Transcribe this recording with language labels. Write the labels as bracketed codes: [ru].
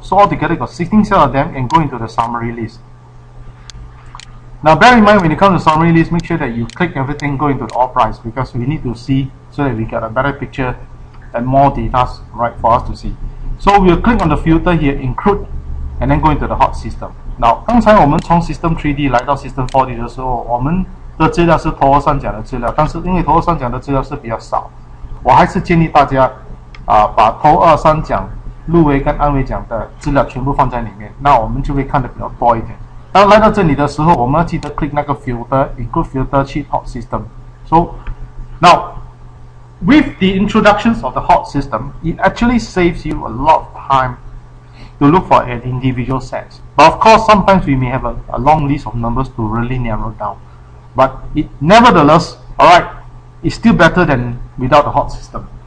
[en] So all together, you've got 16 set of them, and go into the summary list. Now bear in mind when it comes to summary list, make sure that you click everything going to the all price, because we need to see so that we get a better picture and more data, right, for us to see. So we'll click on the filter here, include, and then go into the hot system. [zh] Now, 刚才我们从 system 3D 来到 system 4D 的时候，我们的资料是头二三讲的资料，但是因为头二三讲的资料是比较少，我还是建议大家把头二三讲入围跟安慰奖的资料全部放在里面，那我们就会看得比较多一点。当来到这里的时候，我们要记得 click 那个 filter， include filter 去 hot system。 [en] So now with the introductions of the hot system, it actually saves you a lot of time to look for an individual set. But of course sometimes we may have a long list of numbers to really narrow down, but it nevertheless, alright, it's still better than without the hot system.